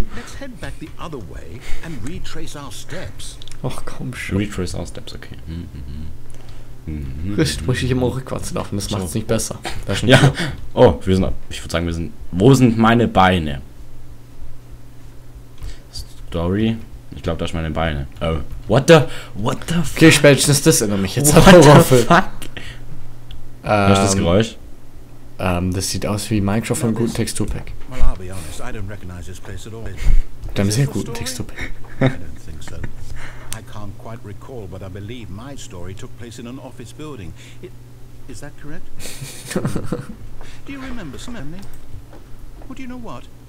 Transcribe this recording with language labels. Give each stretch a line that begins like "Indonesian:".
English: Let's head back the other way and retrace our steps.
German: Ach, komm schon.
English: Retrace our steps, okay. Mm-hmm. Mm-hmm.
German: Richtig, muss ich immer rückwärts laufen, das macht es nicht besser. Ja. Oh, wir sind, ich würde sagen, wir sind, wo sind meine Beine? Story. Ich glaube, da ist meine Beine.
English: What the fuck?
German: Okay, spätestens das erinnert mich jetzt an Horrorfilm.
English: What the fuck?
German: Hörst du das Geräusch? Das sieht aus wie Minecraft von einem guten Texturpack.
English: Well, I'll be honest, I don't recognize this place at all.
German: Dann sehr guten Texturpack.
English: I don't think so. I can't quite recall, but I believe my story took place in an office building. Is that correct? Do you remember something? Well, do you know what?